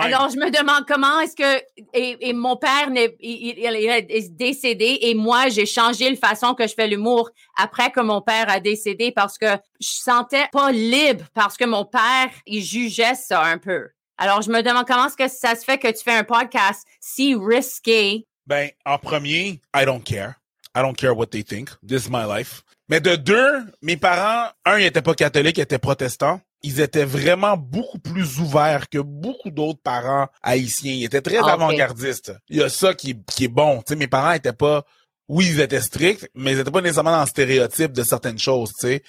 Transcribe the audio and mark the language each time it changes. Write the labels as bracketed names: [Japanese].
[French] Alors, je me demande comment est-ce que... Et mon père, il est décédé et moi, j'ai changé la façon que je fais l'humour après que mon père a décédé parce que je sentais pas libre parce que mon père, il jugeait ça un peu. Alors, je me demande comment est-ce que ça se fait que tu fais un podcast si risqué? Ben, en premier, [English] I don't care. I don't care what they think. This is my life. [French] Mais de deux, mes parents, ils n'étaient pas catholiques, ils étaient protestants. Ils étaient vraiment beaucoup plus ouverts que beaucoup d'autres parents haïtiens. Ils étaient très avant-gardistes. Il y a ça qui est bon. Tu sais, mes parents étaient pas... Oui, ils étaient stricts, mais ils étaient pas nécessairement dans le stéréotype de certaines choses, tu sais.